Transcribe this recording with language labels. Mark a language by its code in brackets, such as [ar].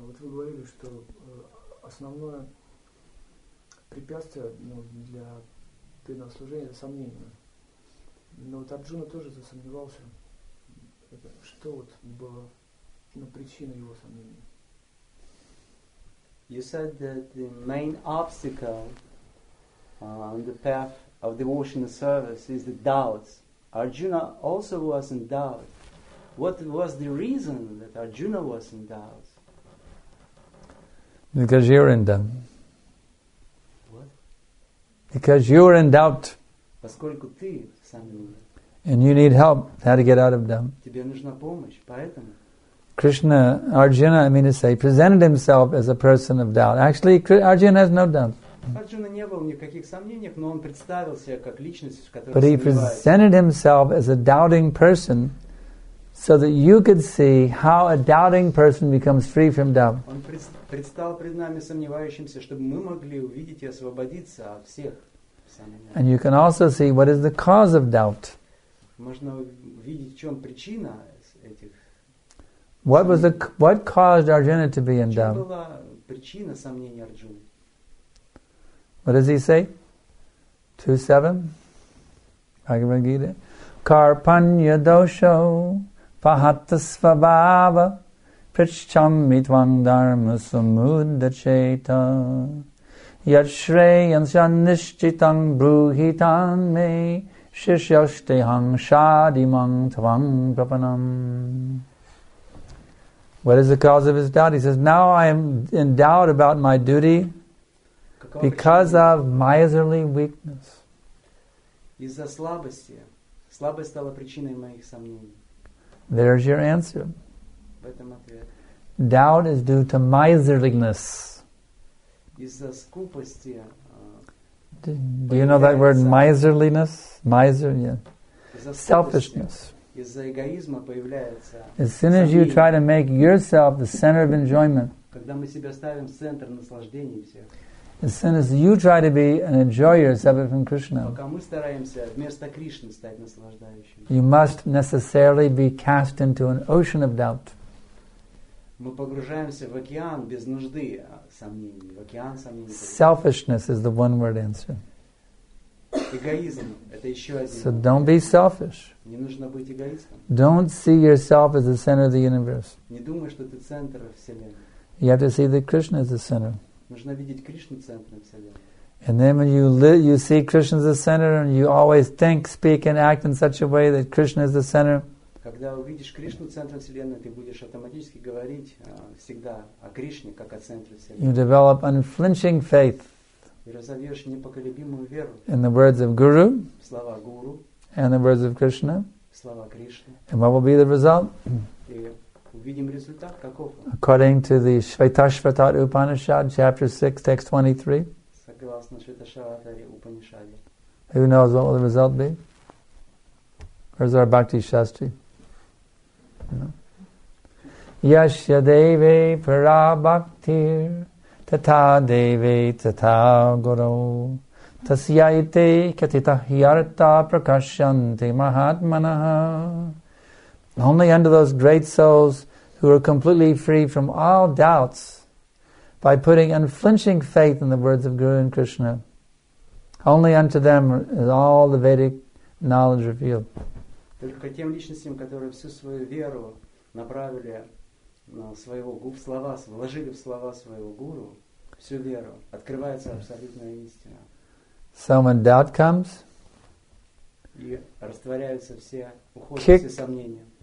[ru] Вот вы говорили, что основное препятствие, ну, для преданного служения — это сомнение. Но вот Арджуна тоже засомневался. Это, что вот было, ну, причина его сомнения? [en] You said that the main obstacle on the path of devotional service is the doubts. Arjuna also was in doubt. What was the reason that Arjuna was in doubt? Because you're in doubt. What? Because you're in doubt. [ru] Поскольку ты сомневаешься. [en] And you need help how to get out of doubt. [ru] Тебе нужна помощь, поэтому. [en] Krishna, Arjuna, I mean to say, presented himself as a person of doubt. Actually, Arjuna has no doubt. [ru] Арджуна не был ни в каких сомнениях, но он представил себя как личность, в которой сомневается. [en] But he presented himself as a doubting person, so that you could see how a doubting person becomes free from doubt. [ru] Он предстал пред нами сомневающимся, чтобы мы могли увидеть и освободиться от всех сомнений. [en] And you can also see what is the cause of doubt. [ru] Можно увидеть, в чем причина этих. [en] What was the what caused Arjuna to be in doubt? [ru] Была причина сомнений Арджуны. [en] What does he say? 2:7 Bhagavad Gita. [sa] Karpanya dosho pahatasvabhava pricham mitvang dharma samudacheta yat shreyam sanishchitang bruhitan me shishyashte hang shadimang tvang prapanam. [en] What is the cause of his doubt? He says, now I am in doubt about my duty. Because of miserly weakness. [ru] Из-за слабости. Слабость стала причиной моих сомнений. [en] There's your answer. [ru] В этом ответ. [en] Doubt is due to miserliness. [ru] Из-за скупости. [en] Do you know that word miserliness? Miser, yeah. Selfishness. [ru] Из-за эгоизма появляется. [en] As soon as you try to make yourself the center of enjoyment. [ru] Когда мы себя ставим в центр наслаждений всех. [en] As soon as you try to be an enjoyer separate from Krishna, [ru] пока мы стараемся вместо Кришны стать наслаждающим, [en] you must necessarily be cast into an ocean of doubt. [ru] Мы погружаемся в океан без нужды сомнений, в океан сомнений. [en] Selfishness is the one word answer. [ru] Эгоизм – это еще один. [en] So don't be selfish. [ru] Не нужно быть эгоистом. [en] Don't see yourself as the center of the universe. [ru] Не думай, что ты центр вселенной. [en] You have to see that Krishna is the center. [ru] Нужно видеть Кришну центром вселенной. [en] And then when you see Krishna as the center and you always think, speak and act in such a way that Krishna is the center. [ru] Когда увидишь Кришну центром вселенной, ты будешь автоматически говорить всегда о Кришне как о центре вселенной. [en] You develop unflinching faith. [ru] И разовьешь непоколебимую веру. [en] In the words of Guru. [ru] Слова Гуру. [en] And the words of Krishna. [ru] Слова Кришны. [en] And what will be the result? [ru] Увидим результат, каков он. [en] According to the Shvetashvatara Upanishad, chapter 6, text 23. [ru] Согласно Шветашватаре Упанишаде. [en] Who knows what will the result be? Where's our Bhakti Shastri? [sa] Yashya deve para bhaktir tata deve tata guru tasyaite katita hyarta prakashyante mahatmanaha. [en] Only under those great souls who are completely free from all doubts by putting unflinching faith in the words of Guru and Krishna. Only unto them is all the Vedic knowledge revealed. [ru] Только тем личностям, которые всю свою веру направили на своего губ слова, вложили в слова своего Гуру, всю веру, открывается абсолютная истина. [en] So when doubt comes, [ru] и растворяются все, уходят все сомнения.